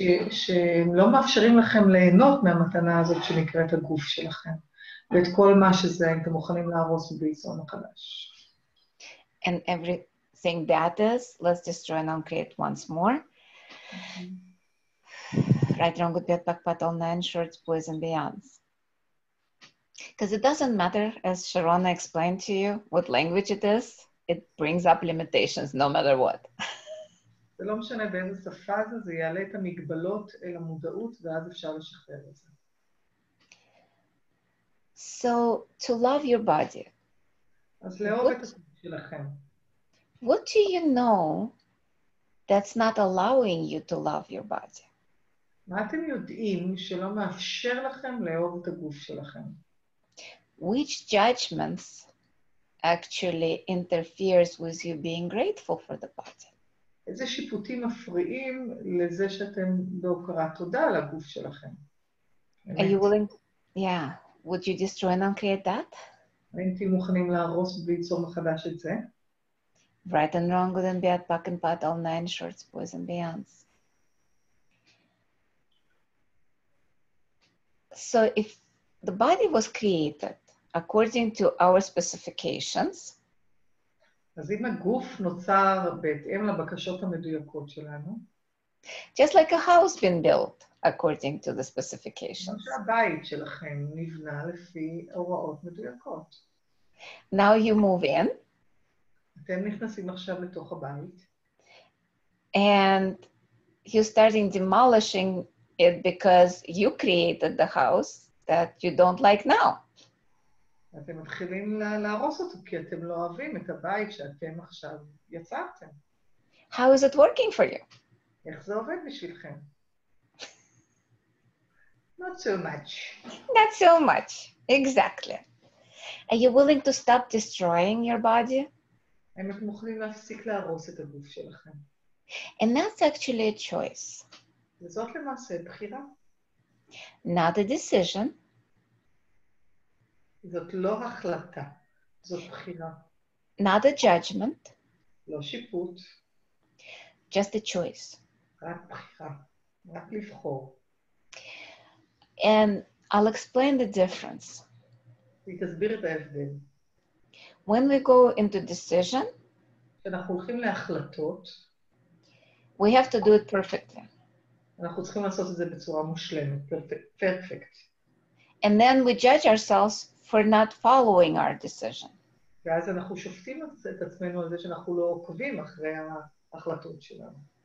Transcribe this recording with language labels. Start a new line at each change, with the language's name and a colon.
Hebrew: שהם לא מאפשרים לכם ליהנות מהמתנה הזאת שנקראת הגוף שלכם, ואת כל מה שזה, אם אתם מוכנים להרוס בביזון החדש.
English: And everything that is, let's destroy and uncreate once more. Right, wrong, good, bad, back, pat, all nine, shorts, boys, and beyonds. Because it doesn't matter, as Sharona explained to you, what language it is, it brings up limitations no matter what.
Hebrew: זה לא משנה באיזה שפה זה, זה יעלה את המגבלות אל המודעות, ואז אפשר לשחרר את זה.
English: So, to love your body.
Hebrew: אז לאהוב את הגוף שלכם.
English: What do you know that's not allowing you to love your body?
Hebrew: מה אתם יודעים שלא מאפשר לכם לאהוב את הגוף שלכם?
English: Which judgments actually interferes with you being grateful for the body?
Hebrew: איזה שיפוטים מפריעים לזה שאתם בהוקרה תודה על הגוף שלכם?
English: Are you willing? Yeah. Would you destroy and uncreate that?
Hebrew: האם אתם מוכנים להרוס וליצור מחדש את זה?
English: Right and wrong, good and bad, back and pat, all nine shorts, boys and beyonds. So if the body was created according to our specifications,
Hebrew: אז אם הגוף נוצר בהתאם לבקשות המדויקות שלנו,
English: just like a house been built according to the specifications,
Hebrew: כמו שהבית שלכם נבנה לפי הוראות מדויקות,
English: now you move in,
Hebrew: אתם נכנסים עכשיו לתוך הבית,
English: and you're starting demolishing it because you created the house that you don't like now.
Hebrew: אתם מתחילים להרוס אותו כי אתם לא אוהבים את הבית שאתם עכשיו יצרתם.
English: How is it working for you?
Hebrew: איך זה עובד בשבילכם?
English: Not so much. Not so much. Exactly. Are you willing to stop destroying your body?
Hebrew: האם אתם מוכנים להפסיק להרוס את הגוף שלכם?
English: And that's actually a choice.
Hebrew: וזאת למעשה בחירה.
English: Not a decision.
Hebrew: זאת לא החלטה, זאת בחירה.
English: Not a judgment.
Hebrew: לא שיפוט.
English: Just a choice.
Hebrew: רק בחירה, רק לבחור.
English: And I'll explain the difference.
Hebrew: היא תסביר את ההבדל.
English: When we go into decision,
Hebrew: כשאנחנו הולכים להחלטות,
English: we have to do it perfectly.
Hebrew: אנחנו צריכים לעשות את זה בצורה מושלמת, perfect.
English: And then we judge ourselves for not following our decision.
Hebrew: ואז אנחנו שופטים את עצמנו על זה שאנחנו לא עוקבים אחרי ההחלטות שלנו.